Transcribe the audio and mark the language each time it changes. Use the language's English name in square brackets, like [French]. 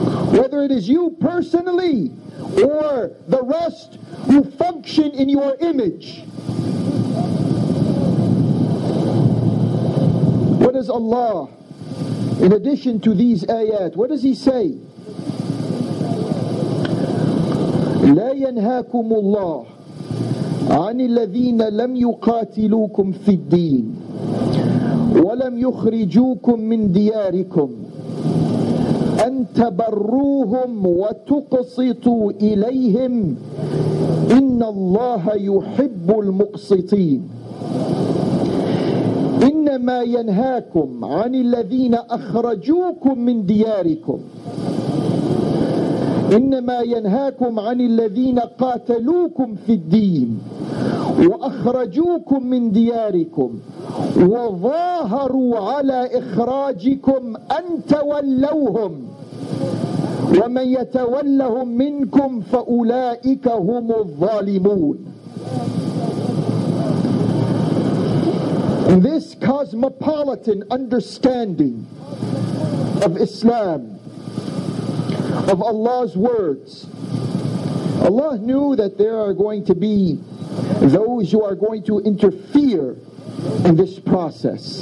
[English] Whether it is you personally or the rest who function in your image. What does Allah, in addition to these ayat, what does He say? [Arabic] لا ينهاكم الله عن الذين لم يقاتلوكم في الدين ولم يخرجوكم من دياركم أن تبروهم وتقسطوا إليهم إن الله يحب المقسطين. إنما ينهاكم عن الذين أخرجوكم من دياركم إنما ينهاكم عن الذين قاتلوكم في الدين وأخرجوكم من دياركم وظاهروا على إخراجكم أن تولوهم ومن يتولهم منكم فأولئك هم الظالمون. [English] This cosmopolitan understanding of Islam, of Allah's words. Allah knew that there are going to be those who are going to interfere in this process.